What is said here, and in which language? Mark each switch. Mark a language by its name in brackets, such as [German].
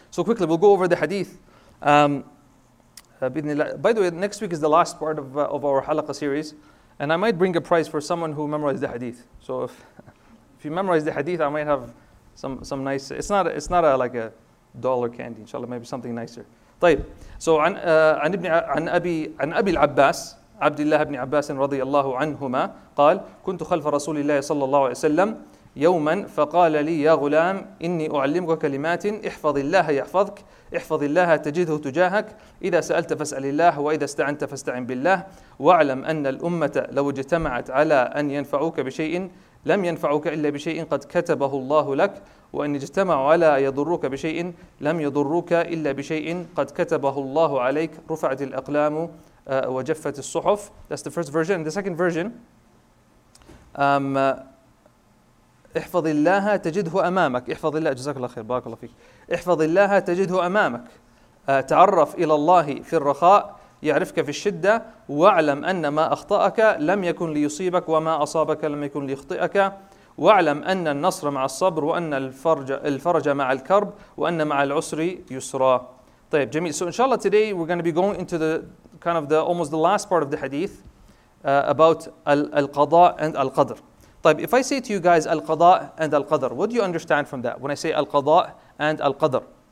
[English] So quickly, we'll go over the hadith. By the way, next week is the last part of our halaqa series. And I might bring a prize for someone who memorized the hadith. So if you memorize the hadith, I might have some nice, it's not a, like a dollar candy, inshallah, maybe something nicer. [Arabic] طيب. So عن أبي العباس عبد الله بن عباس رضي الله عنهما قال كنت خلف رسول الله صلى الله عليه وسلم يوما فقال لي يا غلام إني أعلمك كلمات احفظ الله يحفظك احفظ الله تجده تجاهك إذا سألت فاسأل الله وإذا استعنت فاستعن بالله واعلم أن الأمة لو اجتمعت على أن ينفعوك بشيء لم ينفعك إلا بشيء قد كتبه الله لك وإن اجتمعوا على يضروك بشيء لم يضروك إلا بشيء قد كتبه الله عليك رفعت الأقلام وجفت الصحف. [English] That's the first version. And the second version, [Arabic] احفظ الله تجده أمامك. احفظ الله, جزاك الله خير, بارك الله فيك. احفظ الله تجده أمامك. تعرف إلى الله في الرخاء يعرفك في الشدة واعلم أن ما أخطأك لم يكن ليصيبك وما أصابك لم يكن ليخطئك واعلم أن النصر مع الصبر وأن الفرج مع الكرب وأن مع العسر يسرا. طيب جميل. [English] So inshallah today we're going to be going into the kind of the almost the last part of the hadith about القضاء and القدر. طيب, if I say to you guys القضاء and القدر, what do you understand from that when I say القضاء and القدر?